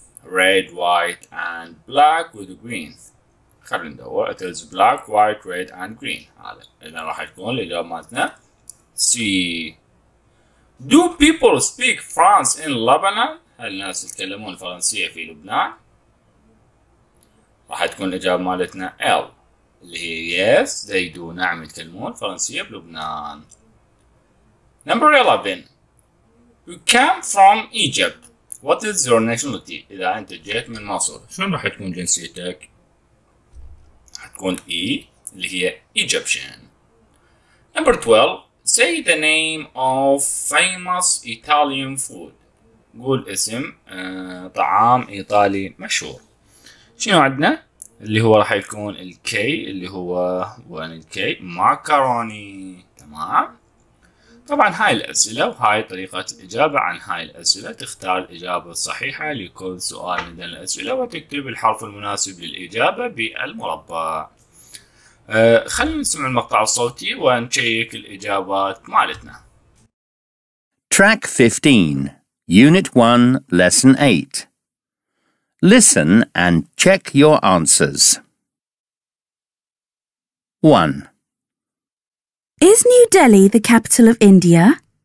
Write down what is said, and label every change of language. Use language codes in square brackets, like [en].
[en] Red, white and black with green. [ar] خلينا ندور. [en] It is black, white, red and green. [ar] هذا إذن راح يكون الإجابة مالتنا C. [en] Do people speak French in Lebanon? [ar] هل الناس يتكلمون فرنسية في لبنان؟ راح تكون الإجابة مالتنا L اللي هي [en] Yes, they do. [ar] نعم يتكلمون فرنسية بلبنان. [en] Number 11. You came from Egypt. What is your nationality? [ar] إذا أنت جيت من مصر، شنو راح تكون جنسيتك؟ راح تكون E اللي هي Egyptian. [en] Number 12. Say the name of famous Italian food. [ar] قول اسم طعام إيطالي مشهور. شنو عندنا؟ اللي هو راح يكون الكي اللي هو وين الكي؟ ماكروني، تمام؟ طبعا هاي الأسئلة وهاي طريقة الإجابة عن هاي الأسئلة، تختار الإجابة الصحيحة لكل سؤال من الأسئلة وتكتب الحرف المناسب للإجابة بالمربع. خلينا نسمع المقطع الصوتي ونشيك الإجابات مالتنا. [en] Track 15 Unit 1 Lesson 8 Listen and check your answers. 1. Is New Delhi the capital of India?